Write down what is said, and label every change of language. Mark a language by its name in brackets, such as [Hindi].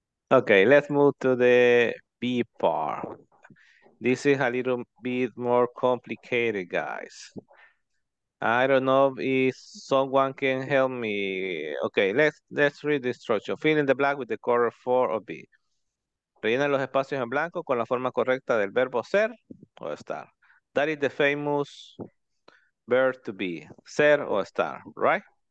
[English] Okay, let's move to the B part. This is a little bit more complicated, guys. I don't know if someone can help me. Okay, let's read the structure. Fill in the blank with the color for or B. [Spanish] Rellena los espacios en blanco con la forma correcta del verbo ser o estar. [English] That is the famous verb to be, ser or estar, right?